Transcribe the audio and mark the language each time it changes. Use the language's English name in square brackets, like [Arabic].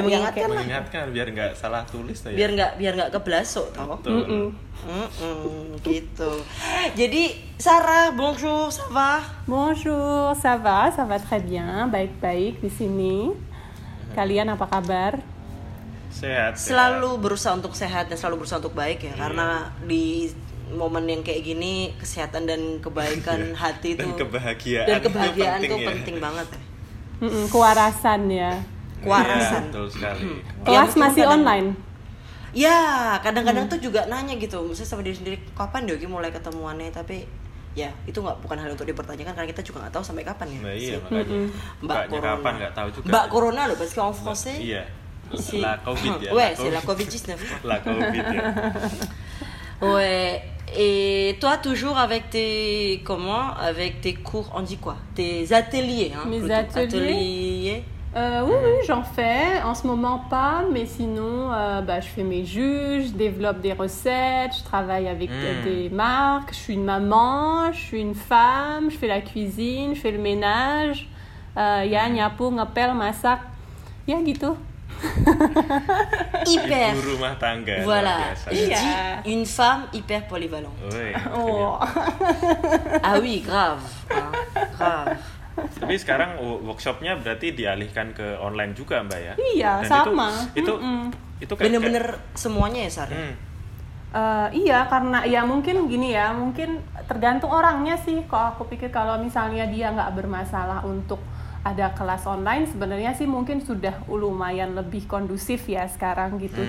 [Indonesian] mengingatkan okay. Mengingatkan, biar gak salah tulis. Ya. Biar gak keblasok, tau. Mm-mm, gitu. Jadi, Sarah, [French] bonjour, ça va? Bonjour, ça va très bien, [Indonesian] baik-baik di sini. Kalian apa kabar? Sehat. Selalu berusaha untuk sehat dan selalu berusaha untuk baik ya, karena di momen yang kayak gini kesehatan dan kebaikan hati itu dan kebahagiaan itu penting banget. Kewarasan ya. Kewarasan. Betul sekali. Kelas masih online? Ya, kadang-kadang tuh juga nanya gitu, misalnya sama diri sendiri, kapan Dogi mulai ketemuannya? Tapi ya, itu gak, bukan hal untuk dipertanyakan karena kita juga gak tahu sampai kapan ya. Nah, iya, makanya Mbak kapan gak tahu juga. Mbak Corona loh, [French] parce qu'en français. [Indonesian] Iya, si, la COVID ya. [French] Ouais, c'est la COVID-19. [Indonesian] La COVID ya. [French] Ouais. Et toi toujours avec tes comment avec tes cours on dit quoi tes ateliers hein mes ateliers oui j'en fais en ce moment pas mais sinon je fais mes jus, je développe des recettes, je travaille avec des marques, je suis une maman, je suis une femme, je fais la cuisine, je fais le ménage, [Indonesian] ya nyapu, ngepel, masak, ya gitu. [French] Hyper [Indonesian] ibu rumah tangga. [French] Voilà. [Indonesian] Jadi, [French] une femme hyper polyvalente. Oh. Ah oui, grave. Ah, grave. [Indonesian] Tapi sekarang workshopnya berarti dialihkan ke online juga, Mbak ya? Iya, dan sama. Itu kayak benar-benar semuanya ya, Sari. Iya, karena ya mungkin gini ya, mungkin tergantung orangnya sih. Kalau aku pikir kalau misalnya dia enggak bermasalah untuk ada kelas online, sebenarnya sih mungkin sudah lumayan lebih kondusif ya sekarang gitu.